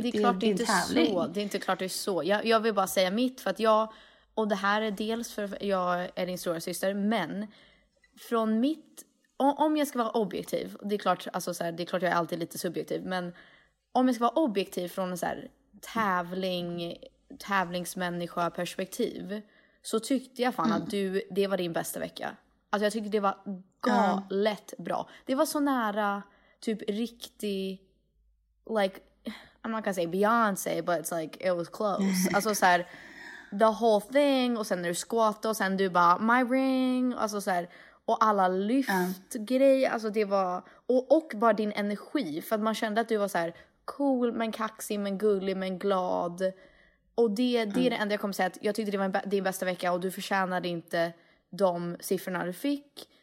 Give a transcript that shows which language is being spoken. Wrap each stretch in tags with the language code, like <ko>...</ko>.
<sv>Nej, det är klart inte tävling. Så. Det är inte klart det är så. Jag vill bara säga mitt, för att jag, och det här är dels för jag är din stora syster, men från mitt, om jag ska vara objektiv, det är klart, alltså så här, det är klart jag är alltid lite subjektiv, men om jag ska vara objektiv från en så här tävlingsmänniska perspektiv så tyckte jag fan att du, det var din bästa vecka. Alltså jag tyckte det var galet bra. Det var så nära typ riktig,</sv> <en>like I'm not gonna say Beyonce but it's like it was close.</en> <sv>Alltså så här,</sv> <en>the whole thing,</en> <sv>och sen när du squat och sen du bara my ring, alltså så här, och alla lyft grej, alltså det var, och bara din energi, för att man kände att du var så här cool men kaxig men gullig men glad. Och det är det enda jag kommer säga, att jag tyckte det var din bästa vecka och du förtjänade inte de siffrorna du fick.</sv>